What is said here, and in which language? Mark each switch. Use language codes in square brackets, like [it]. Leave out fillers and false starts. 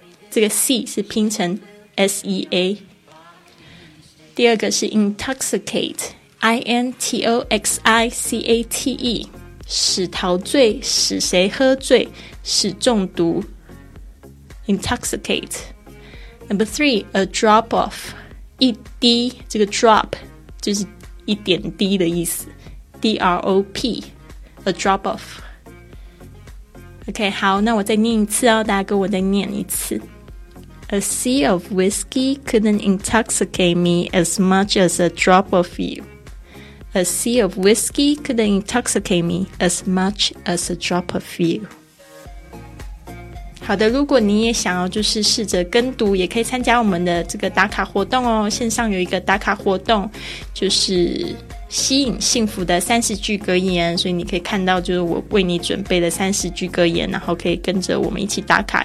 [zh] 这个 sea 是拼成 sea。第二个是 intoxicate， intoxicate， 使陶醉，使谁喝醉，使中毒， intoxicate。 [en] Number three， [zh] a drop of， 一滴，这个 drop 就是一点滴的意思， drop， a drop of。 OK， 好，那我再念一次哦，大家跟我再念一次。 [en] A sea of whiskey couldn't intoxicate me as much as a drop of you. A sea of whiskey couldn't intoxicate me as much as a drop of you. [zh] 好的，如果你也想要就是试着跟读，也可以参加我们的这个打卡活动哦。线上有一个打卡活动，就是吸引幸福的30句格言，所以你可以看到就是我为你准备的30句格言，然后可以跟着我们一起打卡。